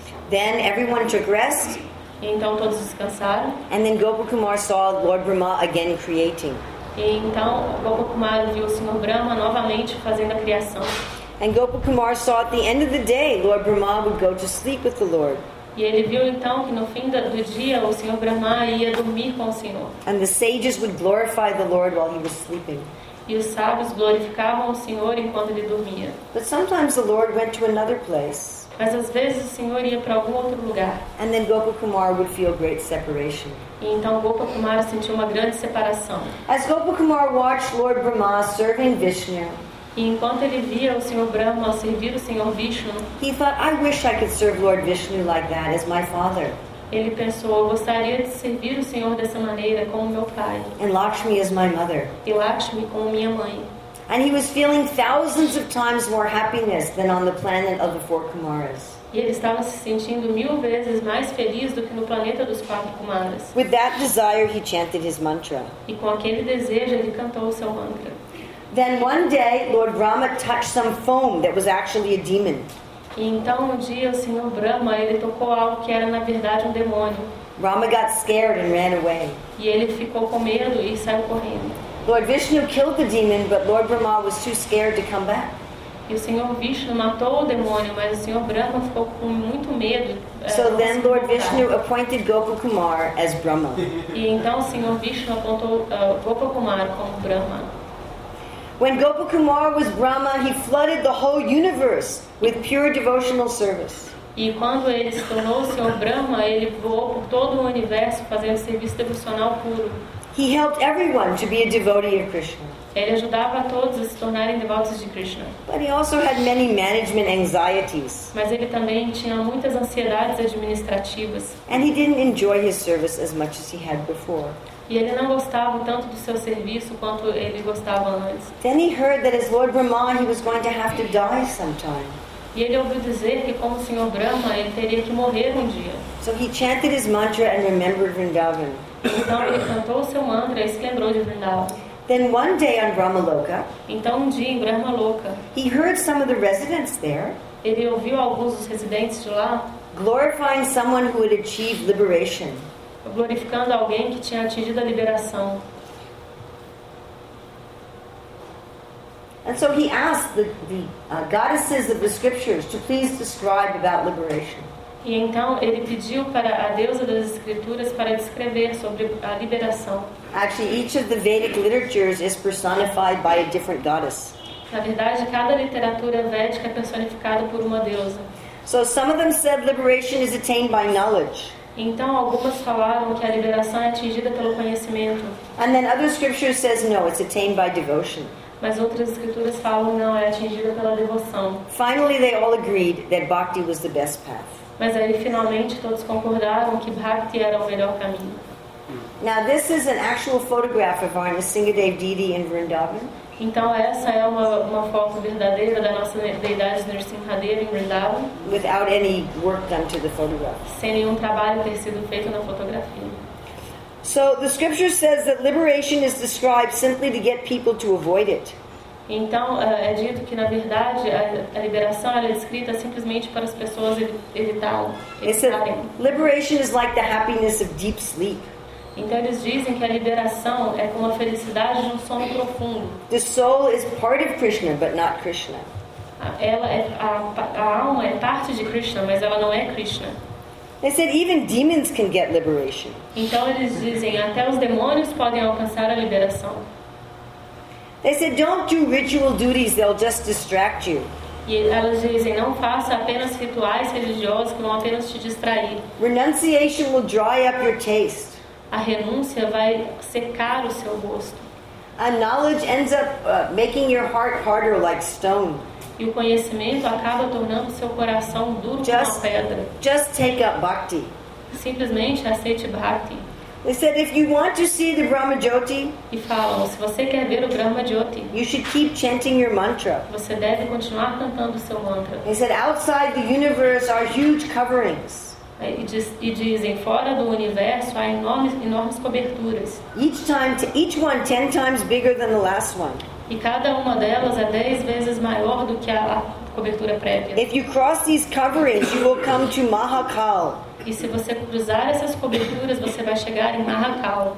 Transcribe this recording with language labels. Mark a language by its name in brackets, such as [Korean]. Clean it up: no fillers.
[English] Then everyone took rest. [Portuguese] E então todos descansaram. [English] And then Gopakumara saw Lord Brahma again creating. [Portuguese] E então Gopakumara viu o Senhor Brahma novamente fazendo a criação. [English] And Gopakumar saw at the end of the day Lord Brahma would go to sleep with the Lord. [Portuguese] E ele viu então que no fim do dia o Senhor Brahma ia dormir com o Senhor. [English] And the sages would glorify the Lord while he was sleeping. [Portuguese] E os sábios glorificavam o Senhor enquanto ele dormia. [English] But sometimes the Lord went to another place. [Portuguese] Mas às vezes o Senhor ia para algum outro lugar. [English] And then Gopakumar would feel great separation. [Portuguese] E então Gopakumar sentiu uma grande separação. [English] As Gopakumar watched Lord Brahma serving Vishnu. [Portuguese] E enquanto ele via o Senhor Brahma servir o Senhor Vishnu, [English] he thought, I wish I could serve Lord Vishnu like that as my father. [Portuguese] Ele pensou, eu gostaria de servir o Senhor dessa maneira como meu pai. [English] And Lakshmi is my mother. [Portuguese] E Lakshmi como minha mãe. [English] And he was feeling thousands of times more happiness than on the planet of the four Kumaras. [Portuguese] E ele estava se sentindo mil vezes mais feliz do que no planeta dos quatro Kumaras. [English] With that desire, he chanted his mantra. [Portuguese] E com aquele desejo, ele cantou o seu mantra. [English] Then one day, Lord Brahma touched some foam that was actually a demon. [Portuguese] E então um dia o Senhor Brahma ele tocou algo que era na verdade um demônio. [English] Brahma got scared and ran away. [Portuguese] E ele ficou com medo e saiu correndo. [English] Lord Vishnu killed the demon, but Lord Brahma was too scared to come back. [Portuguese] E o Senhor Vishnu matou o demônio, mas o Senhor Brahma ficou com muito medo. [English] So then Lord Vishnu appointed Gopakumar as Brahma. [Portuguese] E então o Senhor Vishnu apontou Gopakumar como Brahma. [English] When Gopakumar was Brahma, he flooded the whole universe with pure devotional service. [Portuguese] E quando ele se tornou o Senhor Brahma, ele voou por todo o universo fazendo serviço devocional puro. [English] He helped everyone to be a devotee of Krishna. [Portuguese] Ele ajudava a todos a se tornarem devotos de Krishna. [English] But he also had many management anxieties. [Portuguese] Mas ele também tinha muitas ansiedades administrativas. [English] And he didn't enjoy his service as much as he had before. [Portuguese] E ele não gostava tanto do seu serviço quanto ele gostava antes. [English] Then he heard that as Lord Brahma he was going to have to die sometime. [Portuguese] E ele ouviu dizer que como o Senhor Brahma ele teria que morrer um dia. [English] So he chanted his mantra and remembered Vrindavan. [Portuguese] Então ele cantou o seu mantra e se lembrou de Vrindavan. [English] Then one day on Brahmaloka. [Portuguese] Então um dia em Brahmaloka. [English] He heard some of the residents there. [Portuguese] Ele ouviu alguns dos residentes de lá. [English] Glorifying someone who had achieved liberation. [Portuguese] Glorificando alguém que tinha atingido a liberação. [English] And so he asked the goddesses of the scriptures to please describe about liberation. [Portuguese] E então ele pediu para a deusa das escrituras para descrever sobre a liberação. [English] Actually, each of the Vedic literatures is personified by a different goddess. [Portuguese] Na verdade, cada literatura védica é personificada por uma deusa. [English] So some of them said liberation is attained by knowledge. [Portuguese] Então algumas falaram que a liberação é atingida pelo conhecimento. [English] And then other scriptures says no, it's attained by devotion. [Portuguese] Mas outras escrituras falam não, é atingida pela devoção. [English] Finally, they all agreed that bhakti was the best path. [Portuguese] Mas aí finalmente todos concordaram que bhakti era o melhor caminho. [English] Now this is an actual photograph of Narasingadev Didi in Vrindavan. [Portuguese] Então essa é uma foto verdadeira da nossa deidade Narasimhadeva em Vrindavan. [English] Without any work done to the photograph. [Portuguese] Sem nenhum trabalho ter sido feito na fotografia. [English] So the scripture says that liberation is described simply to get people to avoid it. [Portuguese] Então é dito que na verdade a liberação ela é descrita simplesmente para as pessoas evitá-la. [English] Liberation is like the happiness of deep sleep. [Portuguese] Então eles dizem que a liberação é como a felicidade de um sono profundo. [English] The soul is part of Krishna, but not Krishna. [Portuguese] Ela é, a alma é parte de Krishna, mas ela não é Krishna. [English] They said even demons can get liberation. [Portuguese] Então eles dizem até os demônios podem alcançar a liberação. [English] They said don't do ritual duties, they'll just distract you. [Portuguese] E elas dizem não faça apenas rituais religiosos que vão apenas te distrair. [English] Renunciation will dry up your taste. [Portuguese] A renúncia vai secar o seu gosto. [English] A knowledge ends up making your heart harder like stone. [Portuguese] E o conhecimento acaba tornando seu coração duro [English] just, [Portuguese] como pedra. [English] Just take up bhakti. [Portuguese] Simplesmente aceite bhakti. [English] They said if you want to see the Brahma Jyoti, [Portuguese] e falam, se você quer ver o Brahma Jyoti, [English] you should keep chanting your mantra. [Portuguese] Você deve continuar cantando seu mantra. [English] They said outside the universe are huge coverings. [Portuguese] E dizem fora do universo há enormes coberturas. [English] Each one 10 times bigger than the last one. [Portuguese] E cada uma delas é 10 vezes maior do que a cobertura prévia. [English] If you cross these coverings, you will come to Mahakal. [Portuguese] E se você cruzar essas coberturas, você vai chegar em Mahakal.